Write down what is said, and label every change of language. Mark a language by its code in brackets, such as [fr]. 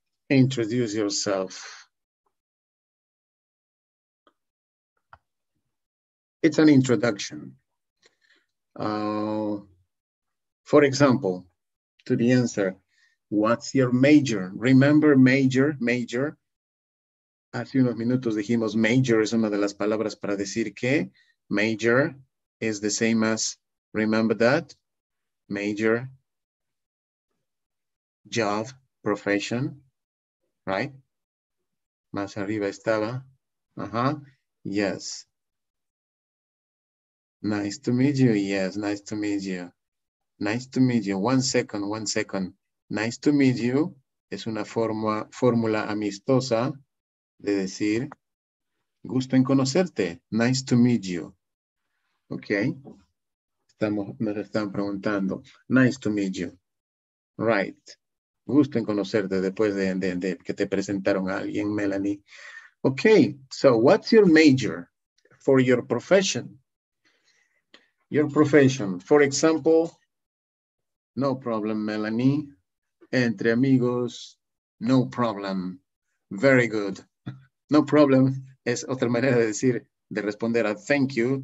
[en] Introduce yourself. It's an introduction. For example, to the answer, what's your major? Remember major, major. [es] Hace unos minutos dijimos major es una de las palabras para decir que major. [en] Is the same as, remember that, major, job, profession, right? [es] Más arriba estaba, [en] yes. Nice to meet you, yes, nice to meet you. Nice to meet you, one second. Nice to meet you [es] es una fórmula amistosa de decir, gusto en conocerte, [en] nice to meet you. Okay, [es] nos están preguntando. [en] Nice to meet you. Right. [es] Gusto en conocerte después de que te presentaron a alguien, Melanie. [en] Ok, so what's your major for your profession? Your profession, for example, no problem, Melanie. [es] Entre amigos, [en] no problem. Very good. [es] No problem es otra manera de decir, de responder a thank you.